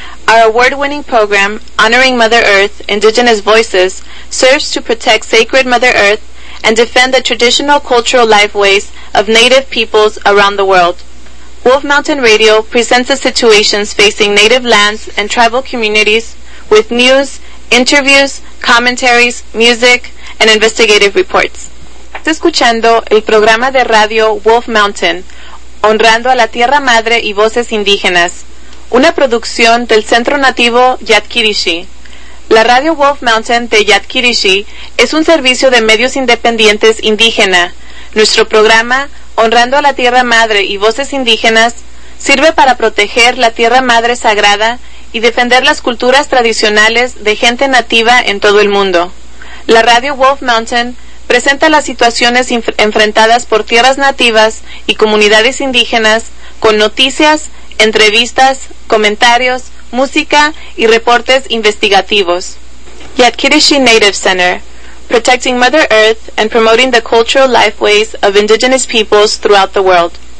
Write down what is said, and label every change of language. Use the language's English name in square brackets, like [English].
[English] Our award-winning program, Honoring Mother Earth Indigenous Voices, serves to protect sacred Mother Earth and defend the traditional cultural lifeways of Native peoples around the world. Wolf Mountain Radio presents the situations facing Native lands and tribal communities with news, interviews, commentaries, music, and investigative reports. [Spanish] Estás escuchando el programa de radio Wolf Mountain, honrando a la Tierra Madre y voces indígenas, una producción del Centro Nativo Yatkirishi. La radio Wolf Mountain de Yatkirishi es un servicio de medios independientes indígena. Nuestro programa, honrando a la Tierra Madre y voces indígenas, sirve para proteger la Tierra Madre Sagrada y defender las culturas tradicionales de gente nativa en todo el mundo. La radio Wolf Mountain presenta las situaciones enfrentadas por tierras nativas y comunidades indígenas con noticias, entrevistas, comentarios, música y reportes investigativos. [English] Yatkirishi Native Center, protecting Mother Earth and promoting the cultural lifeways of indigenous peoples throughout the world.